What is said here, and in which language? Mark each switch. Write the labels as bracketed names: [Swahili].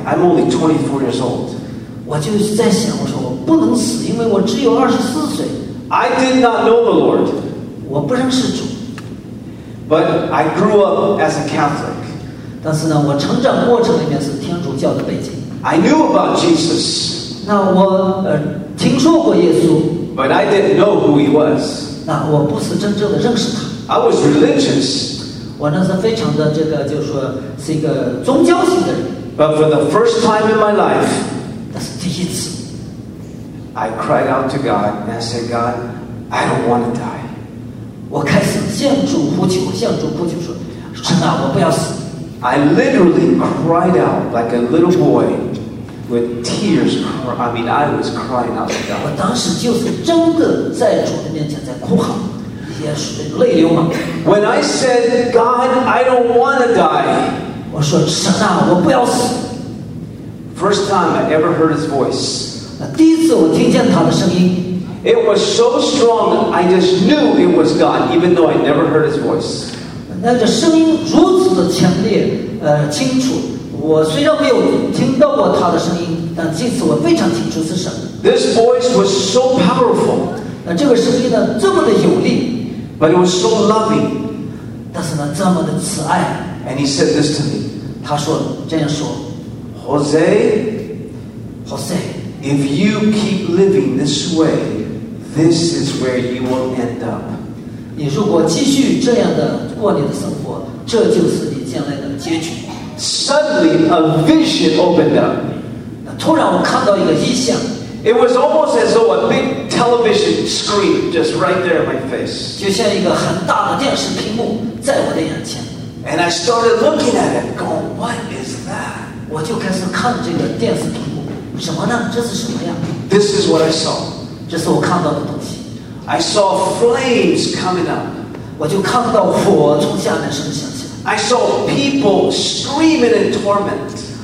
[English] I'm only 24 years old. [Chinese] 我就在想，我说我不能死，因为我只有24岁。 [English] I did not know the Lord. [Chinese] 我不认识主。 [English] But I grew up as a Catholic. [Chinese] 但是呢，我成长过程里面是天主教的背景。 [English] I knew about Jesus. [Chinese] 那我听说过耶稣。 [English] But I didn't know who he was. [Chinese] 那我不是真正的认识他。 [English] I was religious. [Chinese] 我那是非常的这个，就是说是一个宗教性的人。 [English] But for the first time in my life, [Chinese] 那是第一次。 [English] I cried out to God and I said, God, I don't want to die. [Chinese] 我开始向主呼求，向主呼求说，神啊，我不要死。 [English] I literally cried out like a little boy with tears. I was crying out to God. [Chinese] 我当时就是真的在主的面前在哭喊，眼水泪流满。 [English] When I said, God, I don't want to die. [Chinese] 我说，神啊，我不要死。 [English] First time I ever heard his voice. [Chinese] 第一次我听见他的声音。 [English] It was so strong, I just knew it was God, even though I never heard his voice. [Chinese] 那个声音如此的强烈，清楚。我虽然没有听到过他的声音，但这次我非常清楚是神。 [English] This voice was so powerful. [Chinese] 那这个声音呢，这么的有力。 [English] But it was so loving. [Chinese] 但是呢，这么的慈爱。 [English] And he said this to me. [Chinese] 他说这样说。 [English] Jose, Jose, if you keep living this way, this is where you will end up. [Chinese] 你如果继续这样的过你的生活，这就是你将来的结局。 [English] Suddenly, a vision opened up. [Chinese] 突然我看到一个异象。 [English] It was almost as though a big television screen just right there in my face. [Chinese] 就像一个很大的电视屏幕在我的眼前。 [English] And I started looking at it, going, "What is that?" [Chinese] 我就开始看这个电视屏幕，什么呢？这是什么呀 [English] ？This is what I saw. [Chinese] 这是我看到的东西。 [English] I saw flames coming up. [Chinese] 我就看到火从下面升起。 [English] I saw people screaming in torment.